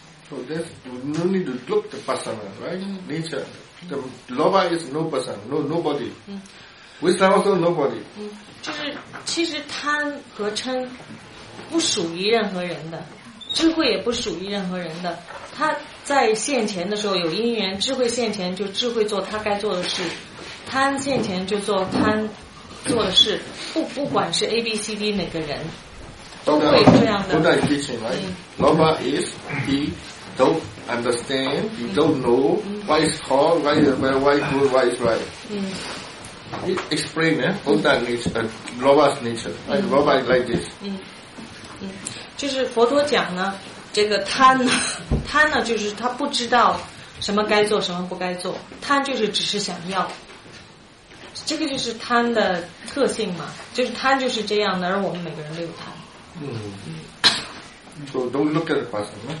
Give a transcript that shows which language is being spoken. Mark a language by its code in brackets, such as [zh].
[en] So that's you no need to look the person, right? Nature, the loba is no person, no nobody. Wisdom also nobody. [zh] 就是其实贪和嗔不属于任何人的，智慧也不属于任何人的，他。在现前的时候有因缘，智慧现前就智慧做他该做的事，贪现前就做贪做的事，不管是 A B C D 哪个人，都会这样的。 [en] Buddha is teaching, right? Loba is he don't understand, he don't know what is called, what is well, what is good, what is right. He explain, Buddha is Loba's nature. Loba is like this. [zh] 就是佛陀讲呢。这个贪呢，贪呢就是他不知道什么该做什么不该做，贪就是只是想要，这个就是贪的特性嘛，就是贪就是这样的，而我们每个人都有贪。 [en] 嗯。So don't look at the person.